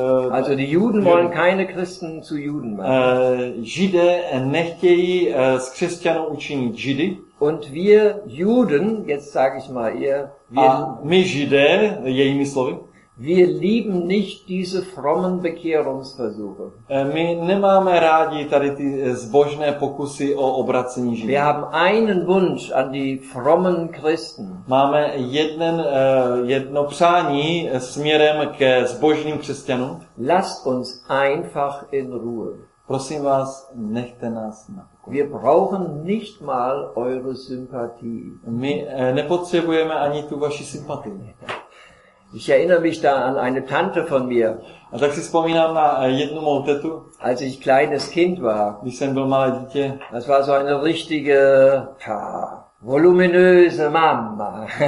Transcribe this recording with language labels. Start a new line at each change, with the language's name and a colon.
German: Also die Juden wollen keine Christen zu Juden machen.
Czech: Židé nechtějí z křesťanů učinit Židy.
German: Und wir Juden, jetzt sage ich mal ihr,
Czech: my Židé, jejími slovy,
German: wir lieben nicht diese frommen Bekehrungsversuche.
Czech: My nemáme rádi tady ty zbožné pokusy o obracení Židů.
German: Wir haben einen Wunsch an die frommen Christen.
Czech: Máme jedno přání směrem ke zbožným křesťanům.
German: Lasst uns einfach in Ruhe.
Czech: Prosím vás, nechte nás na pokoji.
German: Wir brauchen nicht mal eure Sympathie.
Czech: My nepotřebujeme ani tu vaši sympatii.
German: Ich erinnere mich da an eine Tante von mir.
Czech: A tak si vzpomínám na jednu mou tetu.
German: Als ich kleines Kind war.
Czech: Když jsem byl malé dítě.
German: Das war so eine richtige, voluminöse Mama.